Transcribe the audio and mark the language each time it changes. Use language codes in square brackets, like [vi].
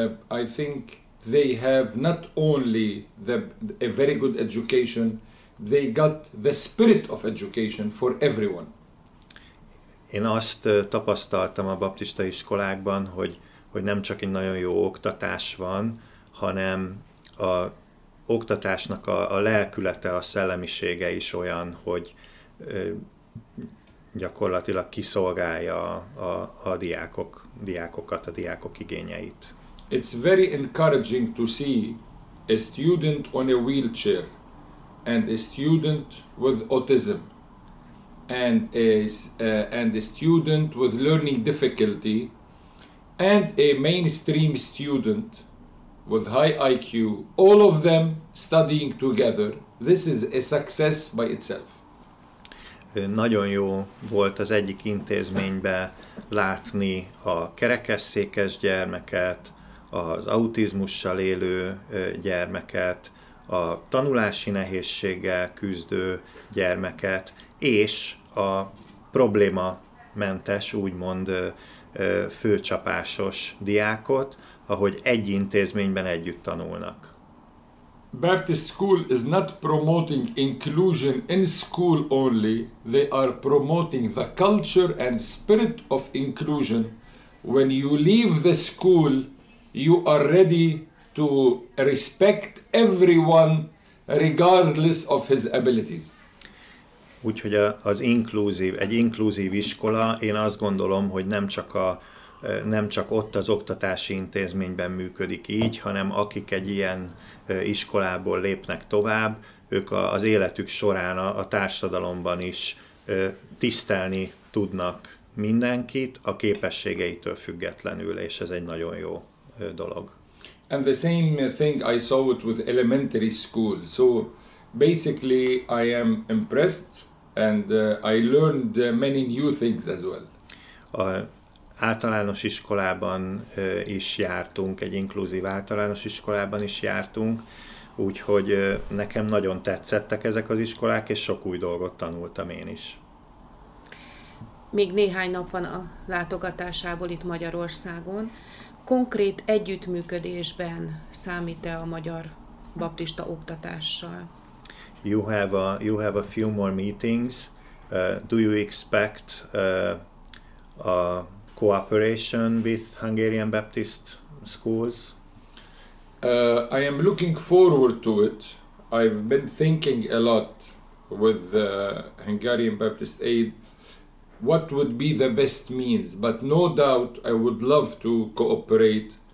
[en] I think they have not only a very good education, they got the spirit of education for everyone. [hu] Én azt tapasztaltam a baptista iskolákban, hogy nem csak egy nagyon jó oktatás van, hanem a oktatásnak a lelkülete, a szellemisége is olyan, hogy gyakorlatilag kiszolgálja a diákokat, a diákok igényeit. [en] It's very encouraging to see a student on a wheelchair and a student with autism and a student with learning difficulty and a mainstream student with high IQ, all of them studying together. This is a success by itself. [hu] Nagyon jó volt az egyik intézményben látni a kerekesszékes gyermeket, az autizmussal élő gyermeket, a tanulási nehézséggel küzdő gyermeket, és a problémamentes, úgymond főcsapásos diákot, ahogy egy intézményben együtt tanulnak. [en] Baptist school is not promoting inclusion in school only, they are promoting the culture and spirit of inclusion. When you leave the school, you are ready to respect everyone regardless of his abilities. [hu] Úgyhogy egy inkluzív iskola, én azt gondolom, hogy nem csak ott az oktatási intézményben működik így, hanem akik egy ilyen iskolából lépnek tovább, ők az életük során a társadalomban is tisztelni tudnak mindenkit a képességeitől függetlenül, és ez egy nagyon jó dolog. [en] And the same thing I saw it with elementary school. So basically I am impressed and I learned many new things as well. [hu] Általános iskolában is jártunk, egy inkluzív általános iskolában is jártunk, úgyhogy nekem nagyon tetszettek ezek az iskolák, és sok új dolgot tanultam én is. Még néhány nap van a látogatásából itt Magyarországon. Konkrét együttműködésben számít-e a magyar baptista oktatással? [en] You have a few more meetings. Do you expect a cooperation with Hungarian Baptist schools? I am looking forward to it. I've been thinking a lot with the Hungarian Baptist Aid what would be the best means, but no doubt I would love to cooperate.